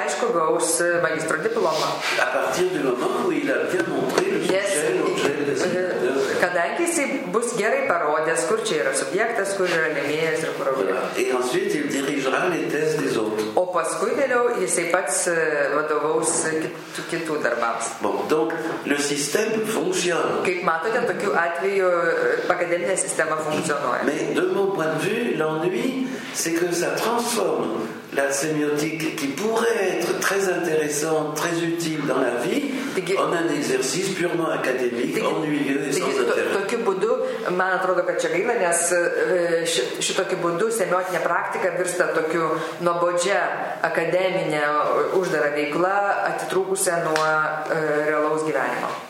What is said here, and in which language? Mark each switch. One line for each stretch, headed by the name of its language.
French: il obtiendra le diplôme à partir du moment où il a bien montré le sujet,
Lithuanian: kadangi jis bus gerai parodęs, kur čia yra subjektas, kur yra lėmėjas ir kur objektas. O paskui vėliau jis pats vadovaus kitų darbams.
French: Bon, donc, le système fonctionne.
Lithuanian: Kaip matote, tokiu atveju akademinė sistema funkcionuoja.
French: Mais de mon point de vue, l'ennui, c'est que ça transforme la sémiotique qui pourrait être très intéressante, très utile dans la vie, en un exercice purement académique, ennuyeux et sans intérêt.
Lithuanian: Tokiu būdu, man atrodo, kad čia gaila, nes šitokiu būdu semiotinė praktika virsta tokiu nuobodžia akademinė uždara veikla, atitrūkusia nuo realaus gyvenimo.